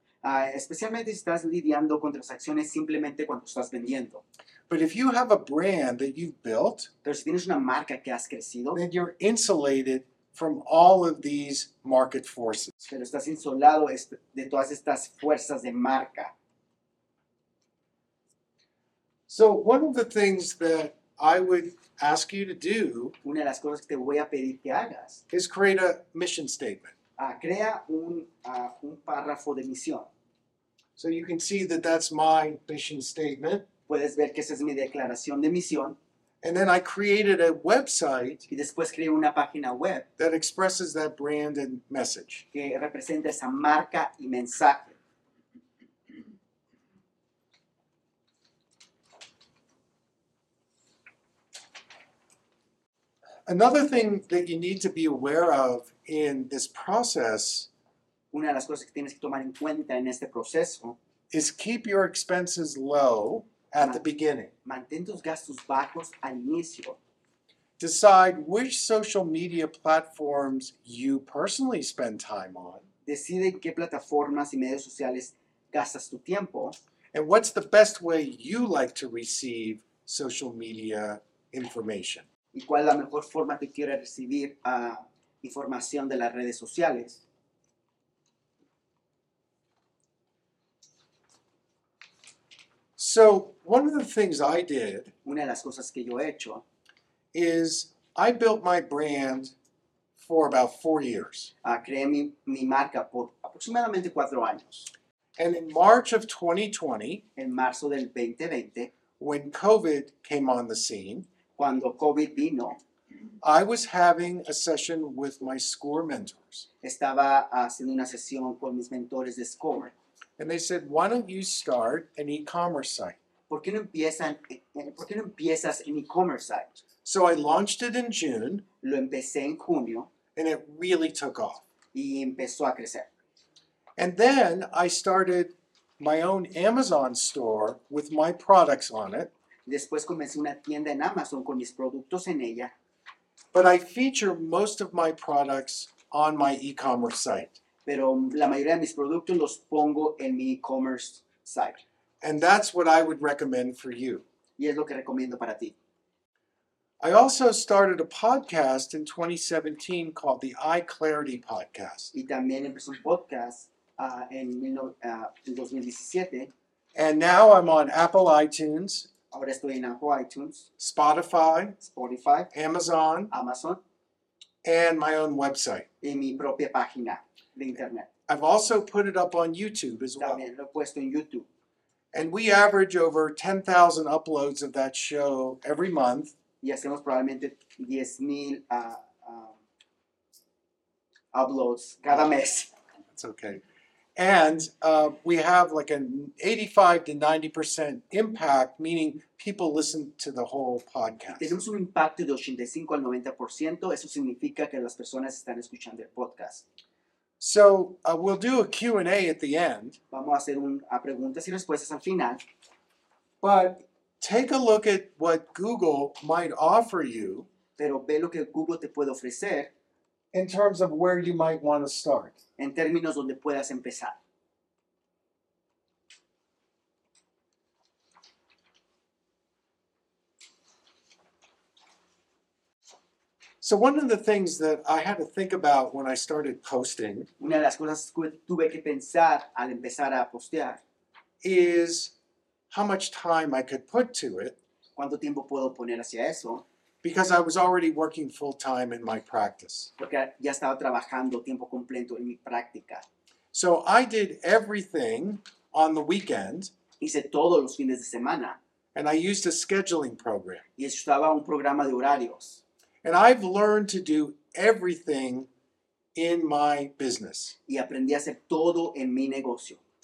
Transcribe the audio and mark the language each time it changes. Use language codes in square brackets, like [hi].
[es] Especialmente si estás lidiando con transacciones simplemente cuando estás vendiendo. [en] But if you have a brand that you've built, [es] pero si tienes una marca que has crecido, [en] then you're insulated from all of these market forces. [es] Pero estás insulado de todas estas fuerzas de marca. [en] So one of the things that I would ask you to do, [es] una de las cosas que te voy a pedir que hagas, [en] is create a mission statement. [es] Crea un párrafo de misión. [en] So you can see that that's my mission statement. [es] Puedes ver que esa es mi declaración de misión. [en] And then I created a website, [es] y después creé una página web, [en] that expresses that brand and message, [es] que representa esa marca y mensaje. [en] Another thing that you need to be aware of in this process, [es] una de las cosas que tienes que tomar en cuenta en este proceso, [en] is keep your expenses low at the beginning. [es] Mantén tus gastos bajos al inicio. [en] Decide which social media platforms you personally spend time on. [es] Decide qué plataformas y medios sociales gastas tu tiempo. [en] And what's the best way you like to receive social media information. [es] Y cuál es la mejor forma que quieres recibir información de las redes sociales. [en] So, one of the things I did, [es] una de las cosas que yo he hecho, [en] is I built my brand for about 4 years. [es] Creé mi marca por aproximadamente 4 años. [en] And in March of 2020, [es] en marzo del 2020, [en] when COVID came on the scene, [es] cuando COVID vino, [en] I was having a session with my SCORE mentors. [es] Estaba haciendo una sesión con mis mentores de SCORE. [en] And they said, why don't you start an e-commerce site? [es] ¿Por qué no empiezas [en] an e-commerce site? So I launched it in June. [es] Lo empecé en junio. [en] And it really took off. [es] Y empezó a crecer. [en] And then I started my own Amazon store with my products on it. [es] Después comencé una tienda en Amazon con mis productos en ella. [en] But I feature most of my products on my e-commerce site. [es] Pero la mayoría de mis productos los pongo en mi e-commerce site. [en] And that's what I would recommend for you. [es] Y es lo que recomiendo para ti. [en] I also started a podcast in 2017 called the iClarity Podcast. [es] Y también empecé un podcast en 2017. [en] And now I'm on Apple iTunes. [es] Ahora estoy en Apple iTunes. [en] Spotify. [es] Amazon. [en] And my own website. [es] Y mi propia página de internet. [en] I've also put it up on YouTube as [es] también [en] well. [es] También lo he puesto en YouTube. [en] And we average over 10,000 uploads of that show every month. [es] Y hacemos probablemente 10,000 uploads cada mes. [en] That's okay. And we have like an 85 to 90% impact, meaning people listen to the whole podcast. [es] Tenemos un impacto de 85 al 90%. Eso significa que las personas están escuchando el podcast. [en] So we'll do a Q&A at the end. [es] Vamos a hacer a preguntas y respuestas al final. [en] But take a look at what Google might offer you. [es] Pero ve lo que Google te puede ofrecer. [en] In terms of where you might want to start. [es] En términos donde puedas empezar. [en] So one of the things that I had to think about when I started posting. [es] Una de las cosas que tuve que pensar al empezar a postear. [en] Is how much time I could put to it. [es] ¿Cuánto tiempo puedo poner hacia eso? [en] Because I was already working full time in my practice. [es] Porque ya estaba trabajando tiempo completo en mi práctica. [en] So I did everything on the weekend. [es] Hice todos los fines de semana. [en] And I used a scheduling program. [es] Y usaba un programa de horarios. [en] And I've learned to do everything in my business. [es] Y aprendí a hacer todo en mi negocio.